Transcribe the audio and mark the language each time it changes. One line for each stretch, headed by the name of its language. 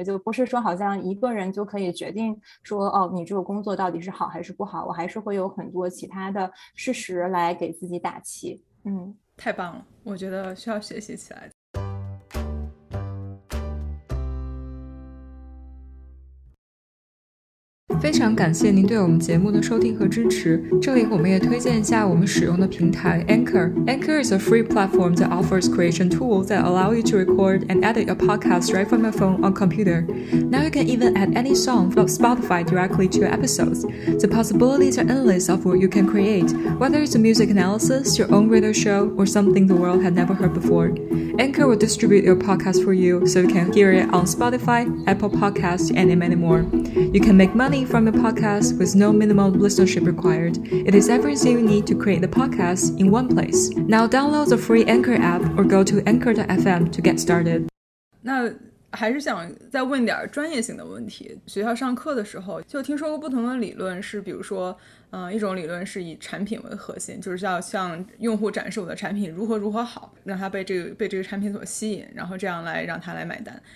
Chinese: 就不是说好像一个人就可以决定说哦，你这个工作到底是好还是不好，我还是会有很多其他的事实来给自己打气。嗯。太棒了，我觉得需要学习起来。非常感谢您对我们节目的收听和支持。这里我们也推荐一下我们使用的平台 Anchor。
English: Anchor is a free platform that offers creation tools that allow you to record and edit your podcast right from your phone or computer. Now you can even add any song from Spotify directly to your episodes. The possibilities are endless of what you can create, whether it's a music analysis, your own radio show, or something the world had never heard before. Anchor will distribute your podcast for you so you can hear it on Spotify, Apple Podcasts, and many more. You can make money from your podcast with no minimum listenership required. It is everything you need to create the podcast in one place. Now download the free Anchor app or go to anchor.fm to get started.
Chinese: 那还是想再问点专业性的问题。学校上课的时候就听说过不同的理论，是比如说一种理论是以产品为核心，就是要向用户展示我的产品如何如何好，让他被这个产品所吸引，然后这样来让他来买单。